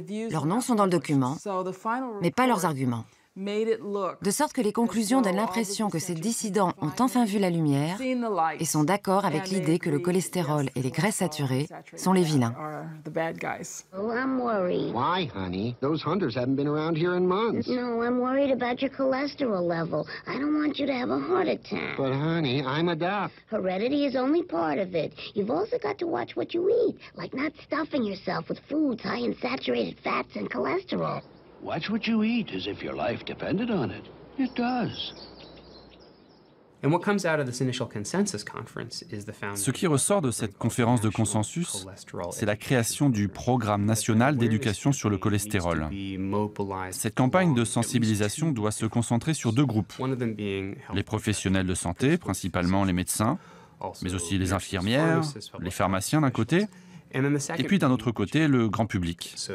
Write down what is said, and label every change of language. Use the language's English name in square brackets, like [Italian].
[French] Leurs noms sont dans le document, mais pas leurs arguments. De sorte que les conclusions donnent l'impression que ces dissidents ont enfin vu la lumière et sont d'accord avec l'idée que le cholestérol et les graisses saturées sont les vilains. [English] Oh, I'm worried. Why, honey? Those hunters haven't been around here in months. No, I'm worried about your cholesterol level. I don't want you to have a heart attack. But honey, I'm a doc. Heredity is only part of it. You've also got to watch what you eat, like not stuffing yourself with foods high in saturated fats and cholesterol. Watch what you eat as if your life depended on it. It does. And what comes out of this initial consensus conference is the founding. [French] Ce qui ressort de cette conférence de consensus, c'est la création du programme national d'éducation sur le cholestérol. Cette campagne de sensibilisation doit se concentrer sur deux groupes. Les professionnels de santé, principalement les médecins, mais aussi les infirmières, les pharmaciens d'un côté, et puis d'un autre côté le grand public.